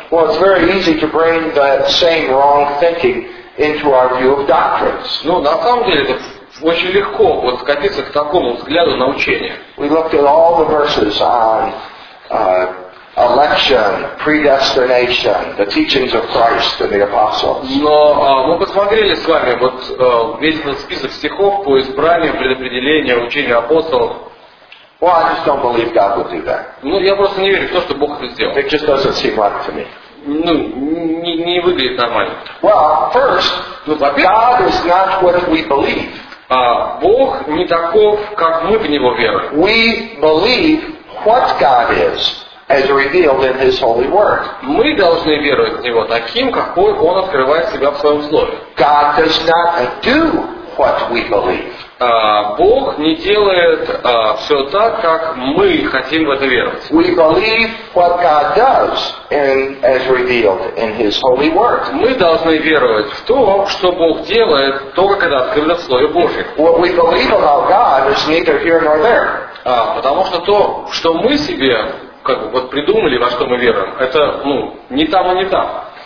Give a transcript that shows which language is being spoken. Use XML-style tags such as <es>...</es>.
<en>Well, it's very easy to bring that same wrong thinking into our view of doctrines.</en> <ru>Ну, на самом деле, это очень легко вот скатиться к такому взгляду на учение.</ru> <en>We looked at all the verses on election, predestination, the teachings of Christ and the apostles.</en> <ru>Но мы посмотрели с вами вот весь этот список стихов по избранию, предопределению, учению апостолов.</ru> <en>Well, I just don't believe God would do that.</en> <ru>Ну, я просто не верю в то, что Бог это сделал.</ru> <en>It just doesn't seem right to me.</en> <ru>Ну, не выглядит нормально.</ru> <en>Well, first, God is not what we believe.</en> <ru>Бог не таков, как мы в него верим.</ru> <en>We believe what God is as revealed in His holy word.</en> <ru>Мы должны веровать в него таким, какой он открывает себя в своем слове.</ru> <en>God does not do what we believe.</en> <ru>Бог не делает все так, как мы хотим в это веровать.</ru> <en>We believe what God does and as revealed in His holy word.</en> <ru>Мы должны веровать в то, что Бог делает только когда открыто в Слове Божьем.</ru> <en>What we believe about God is neither here nor there.</en> <ru>Потому что то, что мы себе как бы вот придумали, во что мы веруем, это ну не там и не там.</ru>